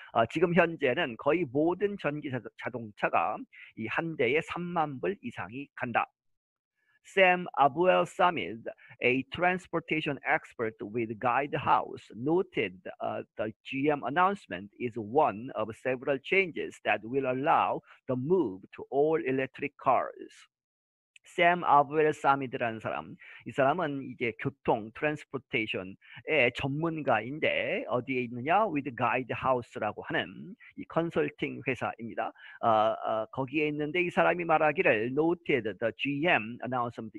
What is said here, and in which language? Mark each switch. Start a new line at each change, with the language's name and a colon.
Korean: 지금 현재는 거의 모든 전기 자동차가 이한 대에 3만 불 이상이 간다.
English: Sam Abuel Samid, a transportation expert with Guidehouse, noted the GM announcement is one of several changes that will allow the move to all electric cars.
Korean: 샘 아브엘사미드라는 사람. 이 사람은 이제 교통, 트랜스포테이션의 전문가인데 어디에 있느냐? 위드 가이드하우스라고 하는 이 컨설팅 회사입니다. 거기에 있는데 이 사람이 말하기를
English: Noted the GM announcement.